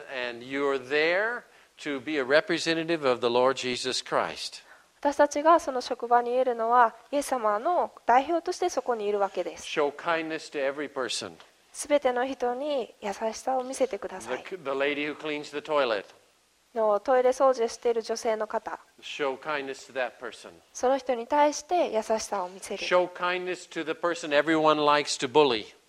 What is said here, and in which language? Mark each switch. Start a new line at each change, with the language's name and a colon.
English: And you're there to be a representative of the Lord Jesus Christ.
Japanese: 私たちがその職場にいるのはイエス様の代表としてそこにいるわけです。
English: Show kindness to every person.
Japanese: 全ての人に優しさを見せてください。
English: the lady who cleans the toilet.
Japanese: のトイレ掃除している女性の方、
English: Show kindness to that person.
Japanese: その人に対して優しさを見せる。
English: Show kindness to the person everyone likes to bully.